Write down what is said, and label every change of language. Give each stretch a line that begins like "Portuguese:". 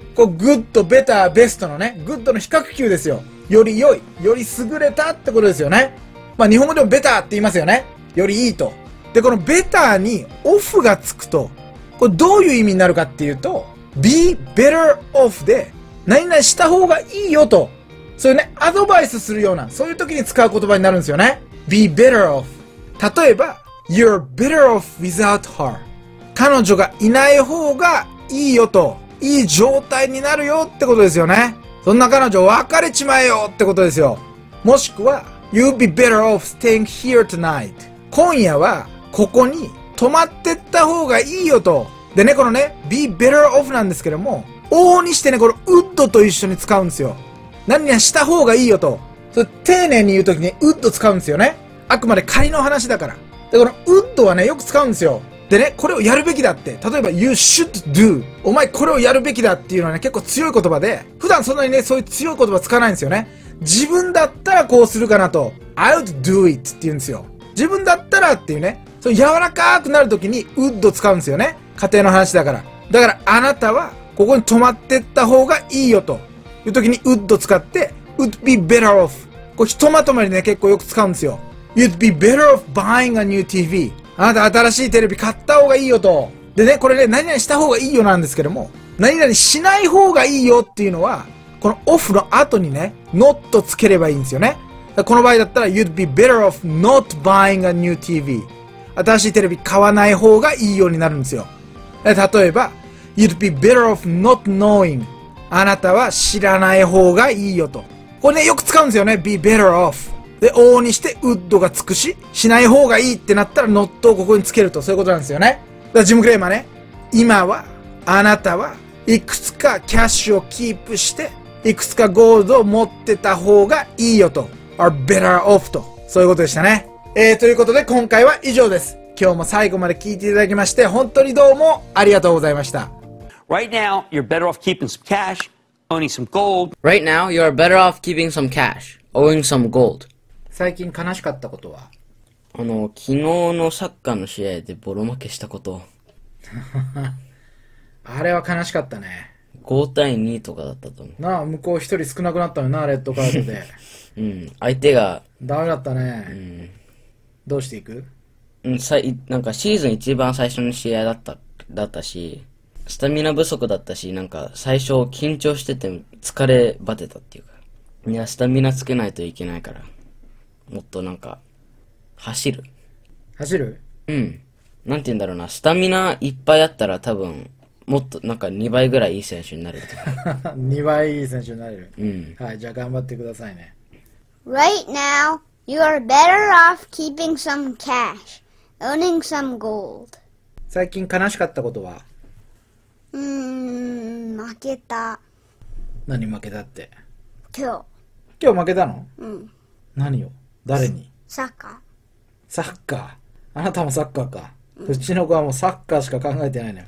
Japanese: こう、
English: good, better, best
Japanese: のね。 good の比較級ですよ。より良い。より優れたってことですよね。まあ、日本語でも better って言いますよね。より良いと。で、この better に off がつくと、これどういう意味になるかっていうと、
English: be better off
Japanese: で、何々した方がいいよと。そういうね、アドバイスするような、そういう時に使う言葉になるんですよね。
English: be better off。
Japanese: 例えば、
English: you're better off without her。
Japanese: 彼女がいない方がいいよと、いい状態になるよってことですよね。そんな彼女別れちまえよってことですよ。もしくは、
English: you'd be better off staying here tonight。
Japanese: 今夜は、ここに泊まってった方がいいよと。でね、このね、be better off なんですけども、往々にしてね、このウッドと一緒に使うんですよ。何にはした方がいいよと。それ丁寧に言うときにウッド使うんですよね。あくまで仮の話だから。で、このウッドはね、よく使うんですよ。でね、これをやるべきだって。例えば、
English: you should do。
Japanese: お前これをやるべきだっていうのはね、結構強い言葉で、普段そんなにね、そういう強い言葉使わないんですよね。自分だったらこうするかなと。
English: I'd do it
Japanese: って言うんですよ。自分だったらっていうね、そう柔らかくなるときにウッド使うんですよね。家庭の話だから。だから、あなたはここに泊まってった方がいいよと。いうときに、would 使って、
English: would be better off。
Japanese: こう、ひとまとまりね、結構よく使うんですよ。
English: you'd be better off buying a new TV。
Japanese: あなた新しいテレビ買った方がいいよと。でね、これね、何々した方がいいよなんですけども、何々しない方がいいよっていうのは、この off の後にね、not つければいいんですよね。この場合だったら、
English: you'd be better off not buying a new TV。
Japanese: 新しいテレビ買わない方がいいようになるんですよ。例えば、
English: you'd be better off not knowing。
Japanese: あなたは知らない方がいいよと。これね、よく使うんですよね。
English: be better off。
Japanese: で、往々にして、ウッドがつくし、しない方がいいってなったら、ノットをここにつけると。そういうことなんですよね。だから、ジム・クレーマーね。今は、あなたはいくつかキャッシュをキープして、いくつかゴールドを持ってた方がいいよと。
English: are better off と。
Japanese: そういうことでしたね。ということで、今回は以上です。今日も最後まで聞いていただきまして、本当にどうもありがとうございました。
English: Right now, you're better off keeping some cash, owning some gold. Right now, you're better off keeping some cash, owing some gold.
Japanese: 最近悲しかったことは？昨日のサッカーの試合でボロ負けしたこと。あれは悲しかったね。 5対2とかだったと思う。なあ、向こう一人少なくなったのよな、レッドカードで。うん、相手が。ダメだったね。うん、どうしていく？うん、なんかシーズン一番最初の試合だったし、スタミナ不足だったし、なんか最初緊張してて疲れ果てたっていうか、いや、スタミナつけないといけないから、もっとなんか走る、うん、なんて言うんだろうな、スタミナいっぱいあったら多分もっとなんか2倍ぐらいいい選手になれるとか。2倍いい選手になれる。うん、はい、じゃあ頑張ってくださいね。
English: Right now you are better off keeping some cash, owning some gold.
Japanese: 最近悲しかったことは？負けた。何負けたって？今日負けたの？うん。何を？誰に？サッカー。サッカー。あなたもサッカーか。うちの子はもうサッカーしか考えてないね。